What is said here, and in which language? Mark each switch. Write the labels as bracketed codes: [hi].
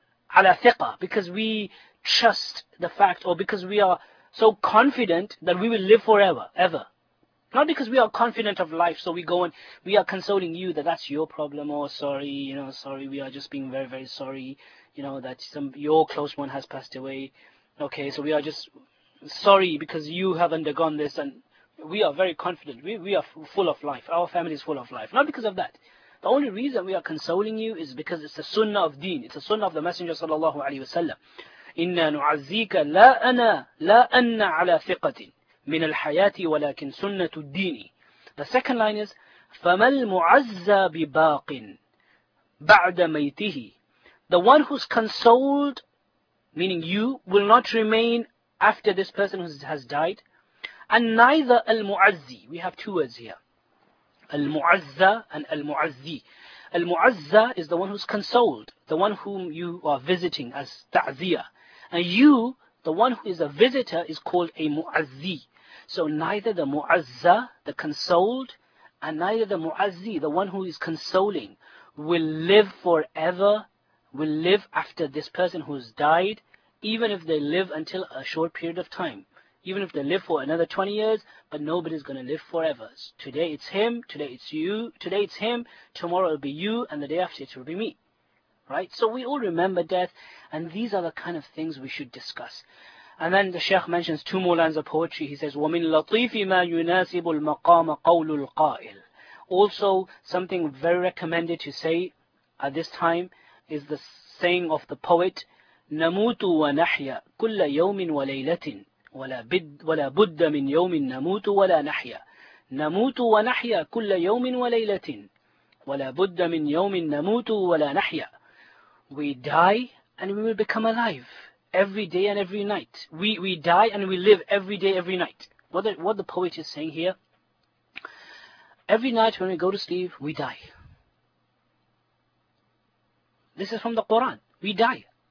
[ar] على ثقة [en] because we trust the fact or because we are so confident that we will live forever ever Not because we are confident of life, so we go and we are consoling you that that's your problem, or sorry, you know, sorry, we are just being very, very sorry, you know, that some your close one has passed away. Okay, so we are just sorry because you have undergone this, and we are very confident. We are full of life. Our family is full of life. Not because of that. The only reason we are consoling you is because it's a sunnah of deen. It's a sunnah of the Messenger sallallahu alaihi wasallam. [ar] إِنَّا نُعَزِّيكَ لَا أَنَّ عَلَى ثِقَةٍ من الحياة ولكن سنة الدين. [en] The second line is [ar] فما المعزى بباق بعد ميته. [en] The one who's consoled, meaning you, will not remain after this person who has died. And neither المعزي. We have two words here. [ar] المعزى and المعزي. [en] المعزى is the one who's consoled, the one whom you are visiting as تعزية. And you, the one who is a visitor, is called a معزي. So neither the mu'azza, the consoled, and neither the mu'azzi, the one who is consoling, will live forever, will live after this person who has died, even if they live until a short period of time. Even if they live for another 20 years, but nobody's going to live forever. Today it's him, today it's you, today it's him, tomorrow it'll be you, and the day after it will be me. Right? So we all remember death, and these are the kind of things we should discuss. And then the Shaykh mentions two more lines of poetry. [ar] He says, وَمِن لَطِيفِ مَا يُنَاسِبُ الْمَقَامَ قَوْلُ الْقَائِلِ [en] Also, something very recommended to say at this time is the saying of the poet, [ar] نَمُوتُ وَنَحْيَا كُلَّ يَوْمٍ وَلَيْلَةٍ وَلَا بُدَّ مِنْ يَوْمٍ نَمُوتُ وَلَا نَحْيَا نَمُوتُ وَنَحْيَا كُلَّ يَوْمٍ وَلَيْلَةٍ وَلَا بُدَّ مِنْ يَوْمٍ نَمُوتُ وَلَا نَحْيَا [en] We die and we will become alive. Every day and every night. We die and we live every day, every night. What the poet is saying here, every night when we go to sleep, we die. This is from the Quran. We die.